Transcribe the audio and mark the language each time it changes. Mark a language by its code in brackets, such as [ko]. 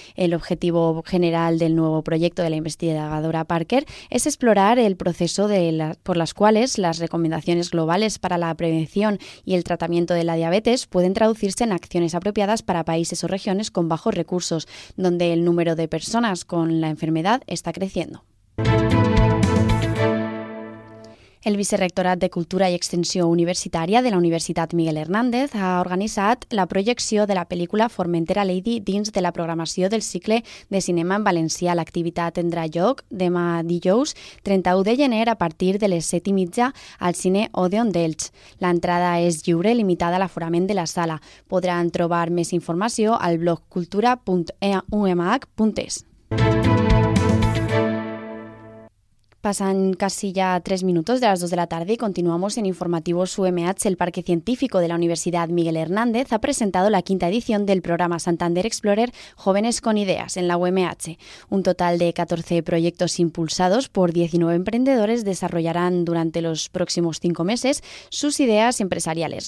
[es] El objetivo general del nuevo proyecto de la investigadora Parker es explorar el proceso por las cuales las recomendaciones globales para la prevención y el tratamiento de la diabetes pueden traducirse en acciones apropiadas para países o regiones con bajos recursos, donde el número de personas con la enfermedad está creciendo. [ca] El Vicerrectorat de Cultura y Extensión Universitaria de la Universitat Miguel Hernández ha organitzat la projecció de la pel·lícula Formentera Lady dins de la programació del cicle de cinema en valencià. L'activitat tindrà lloc demà dijous 31 de gener a partir de les 7:30 al cine Odeon d'Elx. L'entrada és lliure, limitada a l'aforament de la sala. Podran trobar més informació al blog cultura.umh.es. [es] Pasan casi ya 3 minutos de las 2 de la tarde y continuamos en Informativos UMH. El Parque Científico de la Universidad Miguel Hernández ha presentado la 5ª edición del programa Santander Explorer Jóvenes con Ideas en la UMH. Un total de 14 proyectos impulsados por 19 emprendedores desarrollarán durante los próximos 5 meses sus ideas empresariales.